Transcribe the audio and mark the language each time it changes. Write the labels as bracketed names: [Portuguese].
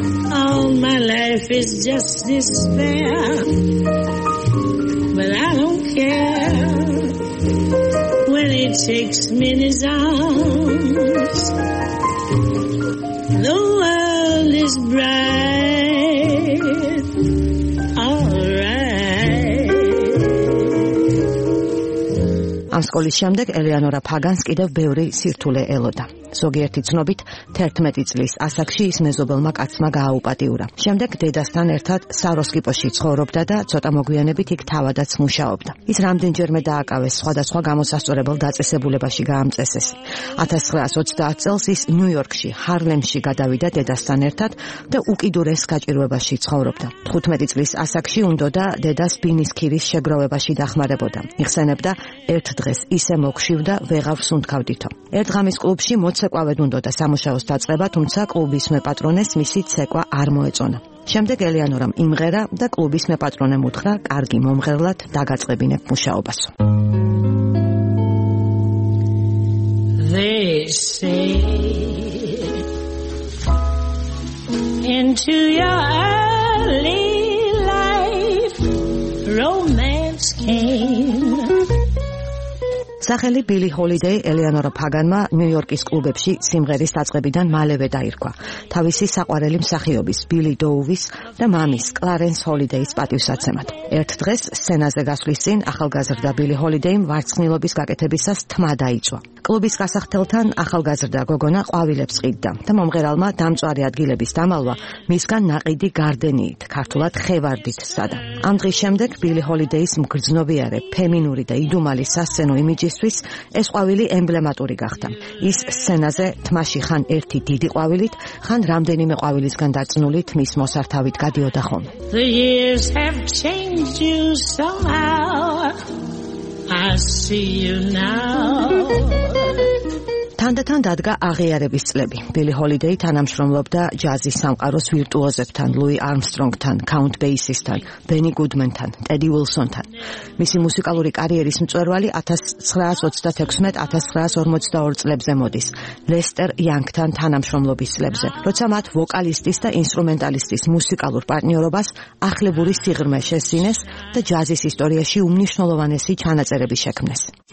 [English] All my life is just despair, but I don't care when he takes me in his arms. The world is bright, all right. [Georgian] ამ სკოლის შემდეგ ელეანორა ფაგანს კიდევ ბევრი სირთულე ელოდა. ზოგიერთი ცნობით 11 წლის ასაკში ის მეზობელმა კაცმა გააუპატიურა. შემდეგ დედასთან ერთად საროსკიპოში ცხოვრობდა და ცოტა მოგვიანებით იქ თავადაც მუშაობდა. ის რამდენჯერმე დააკავეს სხვადასხვა გამოსასწორებელ დაწესებულებაში გაამწესეს. 1920 წელს ის ნიუ-იორკში, ჰარლემში გადავიდა დედასთან ერთად და უკიდურეს გაჭირვებაში ცხოვრობდა. 15 წლის ასაკში უნდოდა დედას ბინისქირის შეგროვებაში დახმარებოდა. იხსენებდა: ერთ დღეს ისე მოკშივდა, ვეღარ ვსუნთქავდითო. ერთ ღამის კლუბში მოცეკვავედ უნდოდა სამუშაოს დაწყება, თუმცა კლუბის მეპატრონეს მისი ცეკვა არ მოეწონა. შემდეგ ელეანორამ იმღერა და კლუბის მეპატრონემ უთხრა, კარგი მომღერლად დაგაწყებინებ მუშაობას. [English] They say into your early life romance came. [Georgian] სახელი ბილი ჰოლიდეი ელეანორა ფაგანმა ნიუ-იორკის კლუბებში სიმღერის დაწყებიდან მალევე დაირქვა თავისი საყვარელი მსახიობის ბილი დოუვის და მამის კლარენს ჰოლიდეის პატივსაცემად. ერთ დღეს სცენაზე გასვლის წინ ახალგაზრდა ბილი ჰოლიდეიმ ვარცხნილობის გაკეთებისას თმა დაიწვა. კლუბის გასახლთელთან ახალგაზრდა გოგონა ყვავილებს ყიდდა და მომღერალმა დამწვარი ადგილების დამალვა მისგან ნაყიდი გარდენიით, ქართულად ხევარდით სადა. ამ დღის შემდეგ ბილი ჰოლიდეის მგრძნობიარე, ფემინური და იდუმალი სასცენო იმიჯისთვის ეს ყვავილი ემბლემატური გახდა. ის სცენაზე თმაში ხან ერთი დიდი ყვავილით, ხან რამდენიმე ყვავილისგან დაწნული თმის მოსართავით გადიოდა ხოლმე. [English] The years have changed you somehow. I see you now. [Georgian] თანდა ჯაზთან დადგა აღიარების წლები. ბილი ჰოლიდეი თანამშრომლობდა ჯაზის სამყაროს ვირტუოზებთან, ლუი არმსტრონგთან, კაუნტ ბეისისთან, ბენი გუდმენთან, ტედი უილსონთან. მისი მუსიკალური კარიერის მწვერვალი 1926-1942 წლებზე მოდის, ლესტერ იანგთან თანამშრომლობის წლებზე, როცა მათ ვოკალისტის და ინსტრუმენტალისტის მუსიკალურ პარტნიორობას ახლებური სიღრმე შესძინეს და ჯაზის ისტორიაში უმნიშვნელოვანესი ჩანაწერები შექმნეს.